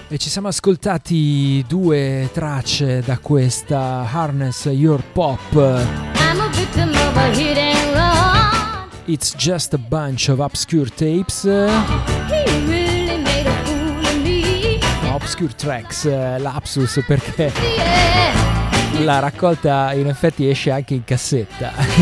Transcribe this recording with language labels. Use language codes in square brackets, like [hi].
[it] siamo ascoltati due tracce da questa Harness Your Pop. [en] I'm a victim of a hit and run. It's Just a Bunch of Obscure Tapes. He really made a fool of me. [it] No, Obscure Tracks, lapsus, perché la raccolta in effetti esce anche in cassetta.